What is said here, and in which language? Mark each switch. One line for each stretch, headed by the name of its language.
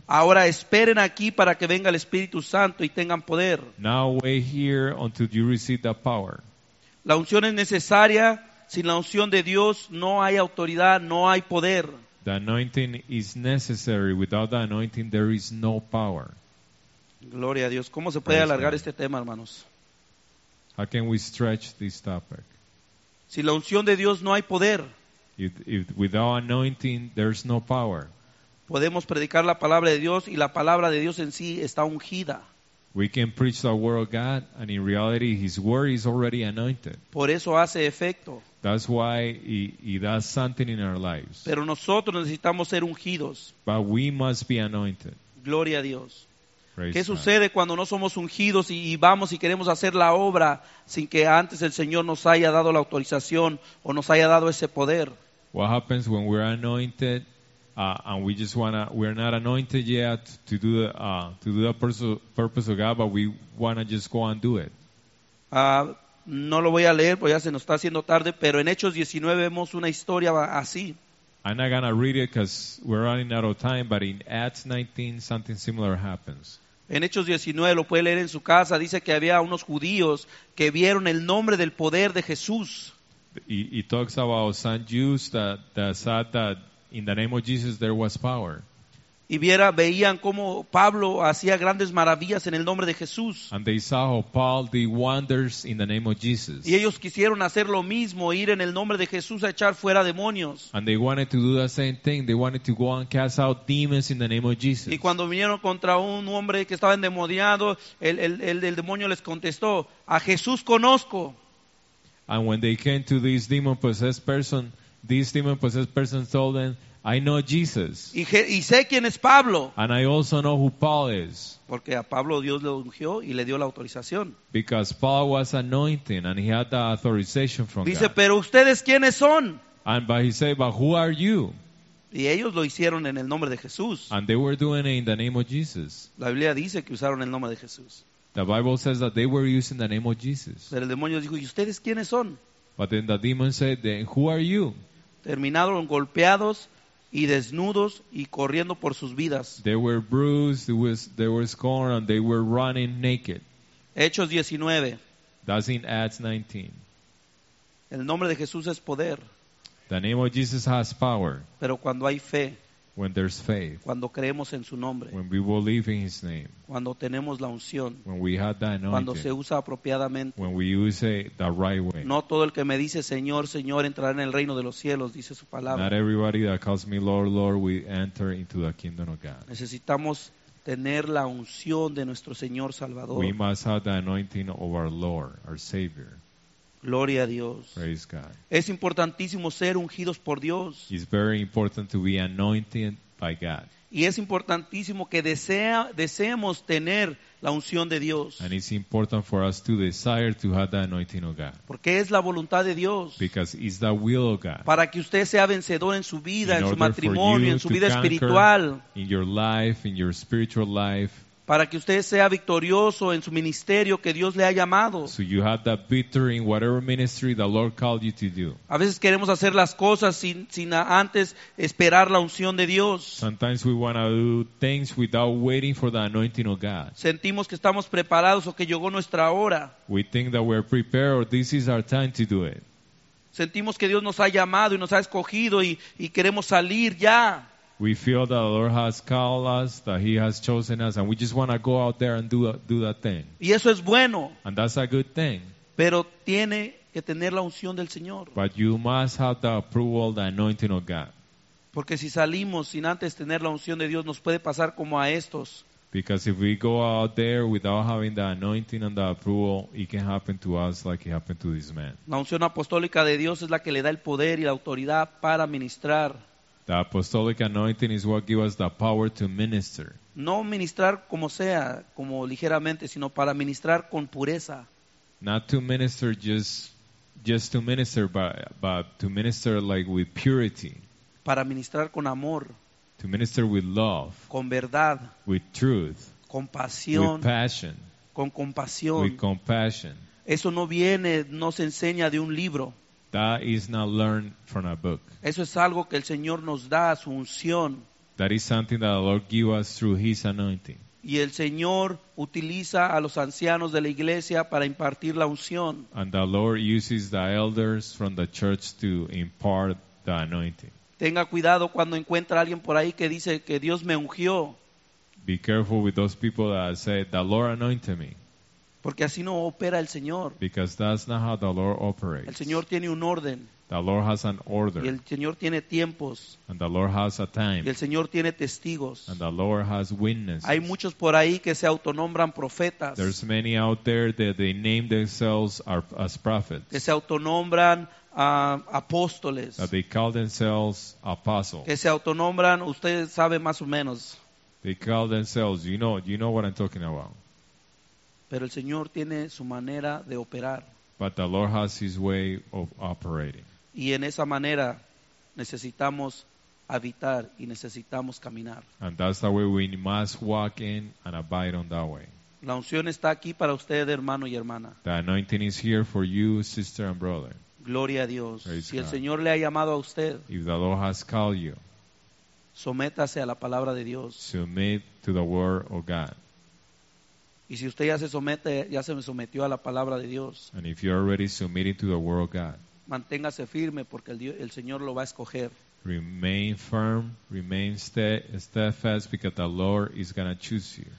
Spanish: Ahora esperen aquí para que venga el Espíritu Santo y tengan poder.
English: Now wait here until you receive the power.
Spanish: La unción es necesaria. Sin la unción de Dios no hay autoridad, no hay poder.
English: The anointing is necessary. Without the anointing there is no power.
Spanish: Gloria a Dios. ¿Cómo se puede alargar este tema, hermanos?
English: How can we stretch this topic?
Spanish: Sin la unción de Dios no hay poder.
English: If without anointing there's no power.
Spanish: Podemos predicar la palabra de Dios y la palabra de Dios en sí está ungida.
English: We can preach the word of God and in reality his word is already anointed.
Spanish: Por eso hace efecto.
English: That's why he does something in our lives.
Spanish: Pero nosotros necesitamos ser ungidos.
English: But we must be anointed.
Spanish: Gloria a Dios. ¿Qué sucede cuando no somos ungidos y vamos y queremos hacer la obra sin que antes el Señor nos haya dado la autorización o nos haya dado ese poder?
English: What happens when we're anointed and we just wanna, we're not anointed yet to do the purpose of God, but we wanna just go and do it?
Spanish: No lo voy a leer porque ya se nos está haciendo tarde, pero en Hechos 19 vemos una historia así.
English: I'm not going to read it because we're running out of time, but in Acts 19, something similar happens.
Spanish: En Hechos 19, lo puede leer en su casa, dice que había unos judíos que vieron el nombre del poder de Jesús.
English: He talks about some Jews that said that in the name of Jesus there was power.
Spanish: Y veían cómo Pablo hacía grandes maravillas en el nombre de Jesús.
English: And they saw how Paul did wonders in the name of Jesus.
Spanish: Y ellos quisieron hacer lo mismo, ir en el nombre de Jesús a echar fuera demonios.
English: And they wanted to do the same thing. They wanted to go and cast out demons in the name of Jesus.
Spanish: Y cuando vinieron contra un hombre que estaba endemoniado, el demonio les contestó, a Jesús conozco.
English: And when they came to this demon-possessed person, this demon-possessed person told them, I know Jesus.
Spanish: Y sé quién es Pablo.
English: And I also know who Paul is.
Spanish: Porque a Pablo Dios lo ungió y le dio la autorización.
English: Because Paul was anointed and he had the authorization from
Spanish: Dice,
English: God.
Spanish: ¿Pero ustedes quiénes son?
English: And but he said, but who are you?
Spanish: Y ellos lo hicieron en el nombre de Jesús.
English: And they were doing it in the name of Jesus.
Spanish: La Biblia dice que usaron el nombre de Jesús.
English: The Bible says that they were using the name of Jesus.
Spanish: Pero el demonio dijo, ¿y ustedes quiénes son?
English: But then the demon said, then who are you?
Spanish: Terminaron golpeados y desnudos y corriendo por sus vidas.
English: They were bruised, they were scorned, and they were running naked.
Spanish: Hechos 19.
English: That's in Acts 19.
Spanish: El nombre de Jesús es poder.
English: The name of Jesus has power.
Spanish: Pero cuando hay fe.
English: When there's faith,
Spanish: cuando creemos en su nombre,
English: when we believe in his name,
Spanish: cuando tenemos la unción,
English: when we have the anointing,
Spanish: cuando se usa apropiadamente,
English: when we use it the right way.
Spanish: No todo el que me dice Señor, Señor entrará en el reino de los cielos, dice su palabra.
English: Not everybody that calls me Lord, Lord will enter into the kingdom of God.
Spanish: Necesitamos tener la unción de nuestro Señor Salvador.
English: We must have the anointing of our Lord, our Savior.
Spanish: Gloria a Dios.
English: Praise God.
Spanish: Es importantísimo ser ungidos por Dios.
English: It's very important to be anointed by God.
Spanish: Y es importantísimo que deseemos tener la unción de Dios.
English: And it's important for us to desire to have the anointing of God.
Spanish: Porque es la voluntad de Dios.
English: Because it's the will of God.
Spanish: Para que usted sea vencedor en su vida,
English: in
Spanish: en su matrimonio, en su vida espiritual.
English: In your life, in your spiritual life.
Spanish: Para que usted sea victorioso en su ministerio que Dios le ha llamado.
English: So you have that victory in whatever ministry the Lord called you to do.
Spanish: A veces queremos hacer las cosas sin antes esperar la unción de Dios.
English: Sometimes we want to do things without waiting for the anointing of God.
Spanish: Sentimos que estamos preparados o que llegó nuestra hora.
English: We think that we're prepared or this is our time to do it.
Spanish: Sentimos que Dios nos ha llamado y nos ha escogido y queremos salir ya.
English: We feel that the Lord has called us, that He has chosen us, and we just want to go out there and do that thing.
Spanish: Y eso es bueno.
English: And that's a good thing.
Spanish: Pero tiene que tener la unción del Señor.
English: But you must have the approval, the anointing of God.
Spanish: Porque si salimos sin antes tener la unción de Dios, nos puede pasar como a estos.
English: Because if we go out there without having the anointing and the approval, it can happen to us like it happened to this man.
Spanish: La unción apostólica de Dios es la que le da el poder y la autoridad para ministrar.
English: The apostolic anointing is what gives us the power to minister.
Spanish: No ministrar como sea, como ligeramente, sino para ministrar con pureza.
English: Not to minister just to minister, but to minister like with purity.
Spanish: Para ministrar con amor.
English: To minister with love.
Spanish: Con verdad.
English: With truth.
Spanish: Con pasión.
English: With passion.
Spanish: Con compasión.
English: With compassion.
Spanish: Eso no viene, no se enseña de un libro.
English: That is not learned from a book.
Spanish: Eso es algo que el Señor nos da a su unción.
English: That is something that the Lord gives us through His anointing.
Spanish: Y el Señor utiliza a los ancianos de la iglesia para impartir la unción.
English: And the Lord uses the elders from the church to impart the anointing.
Spanish: Tenga cuidado cuando encuentra a alguien por ahí que dice que Dios me ungió.
English: Be careful with those people that say the Lord anointed me.
Spanish: Porque así no opera el Señor.
English: Because that's not how the Lord operates.
Spanish: El Señor tiene un orden.
English: The Lord has an order.
Spanish: Y el Señor tiene tiempos.
English: And the Lord has a time.
Spanish: Y el Señor tiene testigos.
English: And the Lord has witnesses.
Spanish: Hay muchos por ahí que se autonombran profetas.
English: There's many out there that they name themselves as prophets.
Spanish: Que se autonombran apóstoles.
English: That they call themselves apostles.
Spanish: Que se autonombran, usted sabe más o menos.
English: They call themselves, you know what I'm talking about.
Spanish: Pero el Señor tiene su manera de operar.
English: But the Lord has His way of operating.
Spanish: Y en esa manera necesitamos habitar y necesitamos caminar.
English: And that's the way we must walk in and abide on that way.
Spanish: La unción está aquí para usted, hermano y hermana.
English: The anointing is here for you, sister and brother.
Spanish: Gloria a Dios.
English: Praise
Spanish: si
English: God.
Spanish: El Señor le ha llamado a usted.
English: If the Lord has called you.
Spanish: Sométase a la palabra de Dios.
English: Submit to the word of God.
Spanish: Y si usted ya se somete, ya se sometió a la palabra de Dios.
English: And if you're already submitted to the word of God.
Spanish: Manténgase firme porque el Señor lo va a escoger.
English: Remain firm, remain steadfast because the Lord is going to choose you.